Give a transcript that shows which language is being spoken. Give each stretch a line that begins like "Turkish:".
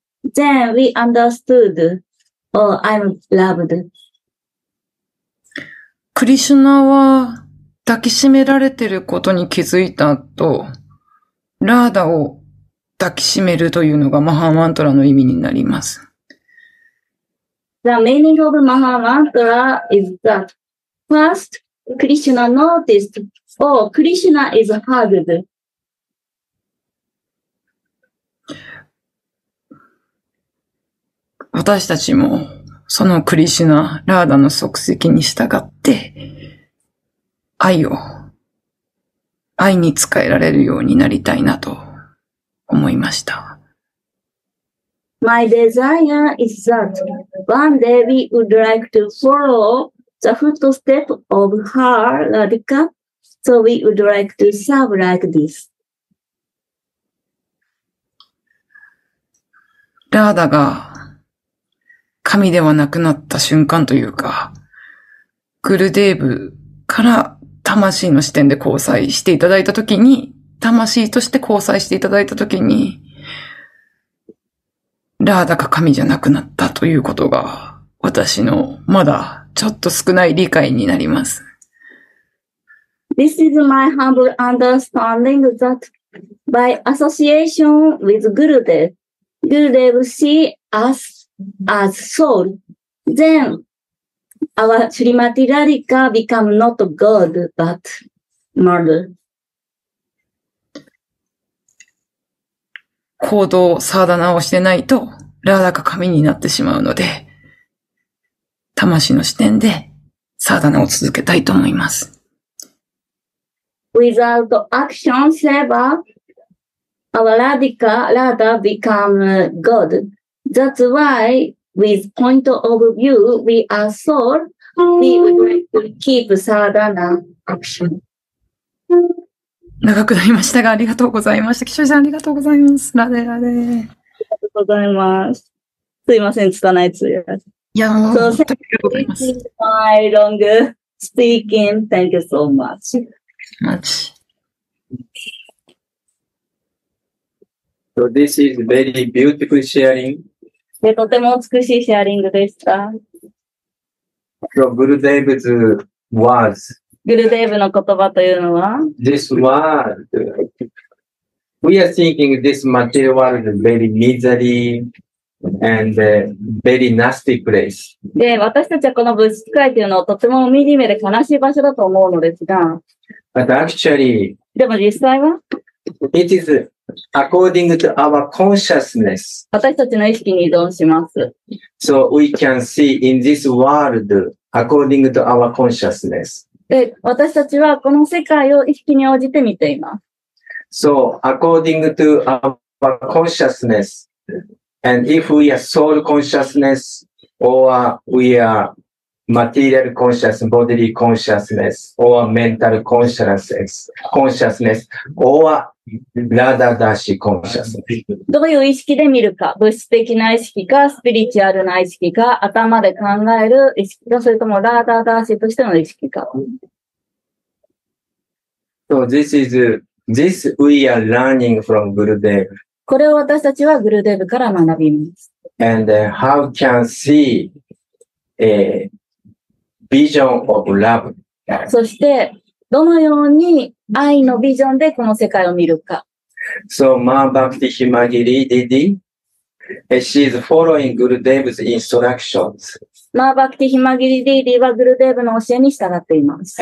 English: Then we understood, oh, I'm loved.
Japanese: クリシュナは抱きしめられてることに気づいたと、ラーダを抱きしめるというのがマハーマントラの意味になります。
English: The meaning of Mahamantra is that first Krishna noticed, oh, Krishna is hugged.
Japanese: 私たちもそのクリシュナ、ラーダの足跡に従って愛を、愛に仕えられるようになりたいなと。思いました。
English: My desire is that one day we would like to follow the footstep of her, Radhika, so we would like to serve like this.
Japanese: ラーダが神ではなくなった瞬間というか、グルデーブから魂の視点で交際していただいたときに、魂として交際していただいたときに、ラーダか神じゃなくなったということが、私のまだちょっと少ない理解になります。
English: This is my humble understanding that by association with Gurudev, Gurudev see us as soul. Then, our Srimati Radhika become not God, but mother.
Japanese: 行動、サーダナをしてないと、ラーダが神になってしまうので、魂の視点でサーダナを続けたいと思います。
English: Without action, Seva, our Radhika, Radha become God. That's why with point of view, we are soul, we would like to keep sadhana action.
Japanese: 長くなりましたが、ありがとうございました。貴重さん、ありがとうございます。ラデラデ。ありがとうございます。すいません、拙い通訳。いや、もう、本当にありがとうございます。
English: My long speaking. Thank you so much. Much. So this is very beautiful sharing.
Japanese: で、とても美しいシェアリングでした。
English: So Gurudev's words.
Japanese: グルデーブの言葉というのは
English: This world. We are thinking this material world is very misery and very nasty place.
Japanese: で、私たちはこの物質界というのをとても惨めで悲しい場所だと思うのですが。
English: But actually,
Japanese: でも実際は
English: It is according to our consciousness.
Japanese: 私たちの意識に依存します。
English: So we can see in this world according to our consciousness.
Japanese: で私たちはこの世界を意識に応じて見ています。
English: So, according to our consciousness, and if we are soul consciousness, or we are material consciousness, bodily consciousness, or mental consciousness, or rather dashi consciousness.
Japanese: どういう意識で見るか、物質的な意識か、スピリチュアルな意識か、頭で考える意識か、それともラーダーダーシーとしての意識か。
English: So this we are learning from Gurudev.
Japanese: これを私たちはグルデーブから学びます。
English: And how can see a vision of love?
Japanese: そしてどのように愛のビジョンでこの世界を見るか。
English: So Ma Bhakti Himagiri Didi, she is following Gurudev's instructions.
Japanese: Ma Bhakti Himagiri Didi はグルデーブの教えに従っています。